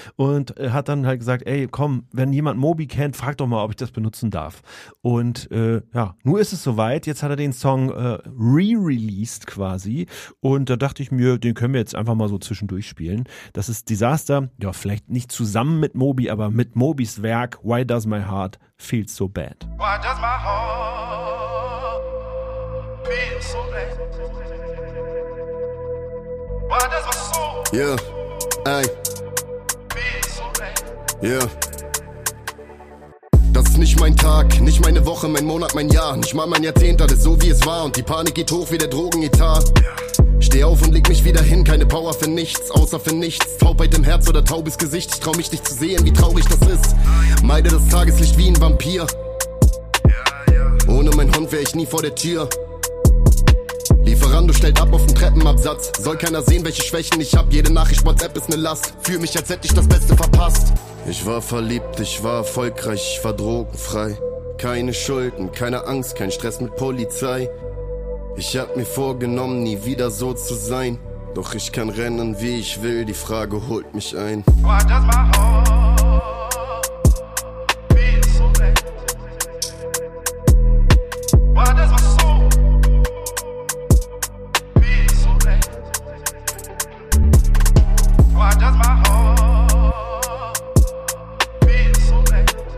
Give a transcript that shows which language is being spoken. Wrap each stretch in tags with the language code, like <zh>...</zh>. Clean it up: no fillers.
<de>Und hat dann halt gesagt, ey, komm, wenn jemand Mobi kennt, frag doch mal, ob ich das benutzen darf. Und ja, nun ist es soweit. Jetzt hat er den Song re-released quasi. Und da dachte ich mir, den können wir jetzt einfach mal so zwischendurch spielen. Das ist Disaster. Ja, vielleicht nicht zu zusammen mit Mobi, aber mit Mobis Werk Why Does My Heart Feel So Bad.</de> <en>Why does my heart feel so bad? Why does my soul yeah. Ey. Feel so bad? Yeah.</en> <de>Das ist nicht mein Tag, nicht meine Woche, mein Monat, mein Jahr, nicht mal mein Jahrzehnt, alles so wie es war und die Panik geht hoch wie der Drogenetat. Yeah. Steh auf und leg mich wieder hin, keine Power für nichts, außer für nichts. Taubheit im Herz oder taubes Gesicht, ich trau mich nicht zu sehen, wie traurig das ist. Meide das Tageslicht wie ein Vampir. Ohne mein Hund wär ich nie vor der Tür. Lieferando stellt ab auf den Treppenabsatz. Soll keiner sehen, welche Schwächen ich hab. Jede Nachricht WhatsApp ist ne Last. Fühl mich, als hätte ich das Beste verpasst. Ich war verliebt, ich war erfolgreich, ich war drogenfrei. Keine Schulden, keine Angst, kein Stress mit Polizei. Ich hab mir vorgenommen, nie wieder so zu sein. Doch ich kann rennen, wie ich will, die Frage holt mich ein.</de> <en>Why does my heart feel so bad? Why does my soul feel so bad? Why does my heart feel so bad?</en>